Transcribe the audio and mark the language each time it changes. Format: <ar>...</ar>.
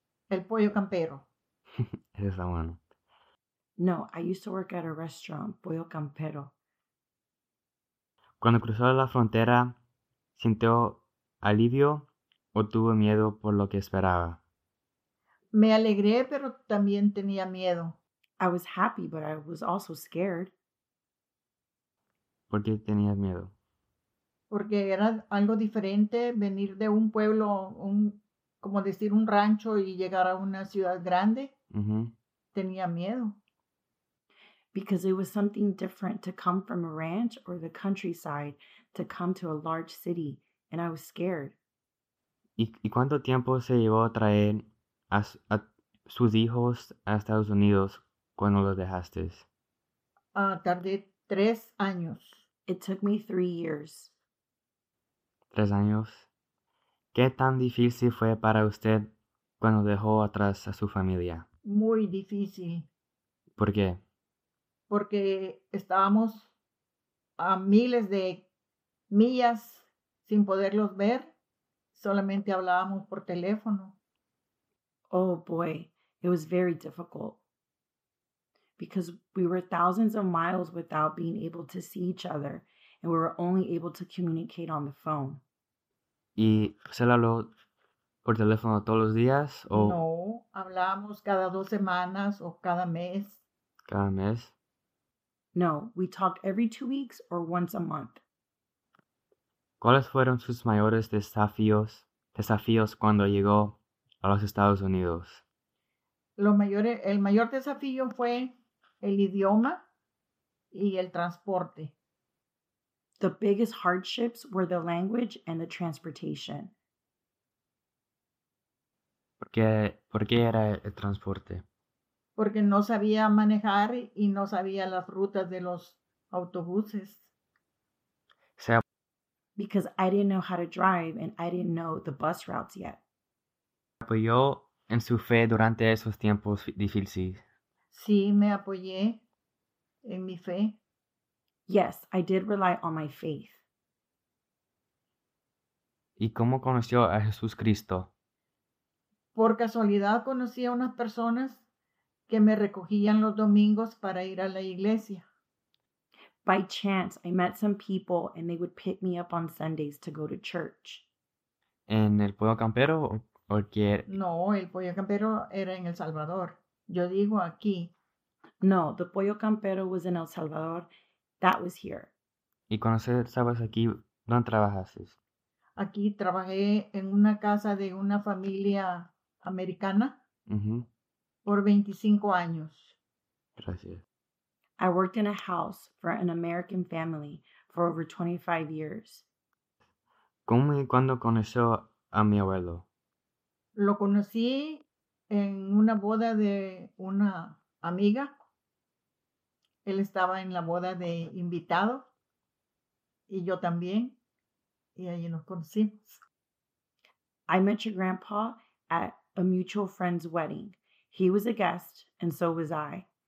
<es>El Pollo Campero. Eso está bueno.</es> <en>No, I used to work at a restaurant, Pollo Campero.</en> <es>¿Cuando cruzó la frontera, sintió alivio o tuvo miedo por lo que esperaba? Me alegré, pero también tenía miedo.</es> <en>I was happy, but I was also scared.</en> <es>¿Por qué tenías miedo? Porque era algo diferente venir de un pueblo, como decir un rancho, y llegar a una ciudad grande. Mm-hmm. Tenía miedo.</es> <en>Because it was something different to come from a ranch or the countryside to come to a large city, and I was scared.</en> <es>¿Y cuánto tiempo se llevó a traer a sus hijos a Estados Unidos? ¿Cuándo los dejaste? Tardé 3 años.</es> <en>It took me 3 years.</en> <es>3 años. ¿Qué tan difícil fue para usted cuando dejó atrás a su familia? Muy difícil. ¿Por qué? Porque estábamos a miles de millas sin poderlos ver. Solamente hablábamos por teléfono.</es> <en>Oh, boy. It was very difficult. Because we were thousands of miles without being able to see each other. and we were only able to communicate on the phone.</en> <es>¿Y se habló por teléfono todos los días? O... No, hablamos cada dos semanas o cada mes. ¿Cada mes?</es> <en>No, we talked every 2 weeks or once a month.</en> <es>¿Cuáles fueron sus mayores desafíos cuando llegó a los Estados Unidos? El mayor desafío fue el idioma y el transporte.</es> <en>The biggest hardships were the language and the transportation.</en> <es>¿Por qué era el transporte? Porque no sabía manejar y no sabía las rutas de los autobuses.</es> <en>Because I didn't know how to drive and I didn't know the bus routes yet.</en> <es>¿Apoyó en su fe durante esos tiempos difíciles? Sí, me apoyé en mi fe.</es> <en>Yes, I did rely on my faith.</en> <es>¿Y cómo conoció a Jesús Cristo? Por casualidad conocí a unas personas que me recogían los domingos para ir a la iglesia.</es> <en>By chance, I met some people and they would pick me up on Sundays to go to church.</en> <es>¿En el Pollo Campero o qué? No, el Pollo Campero era en El Salvador. Yo digo aquí.</es> <en>No, the Pollo Campero was in El Salvador. That was here.</en> <es>¿Y cuando estabas aquí, dónde trabajases? Aquí trabajé en una casa de una familia americana por 25 años. Gracias.</es> <en>I worked in a house for an American family for over 25 years.</en> <es>¿Cómo y cuándo conoció a mi abuelo? Lo conocí en una boda de una amiga. Él estaba en la boda de invitado y yo también. Y ahí nos conocimos.</es> <en>I met your grandpa at a mutual friend's wedding. He was a guest and so was I.</en>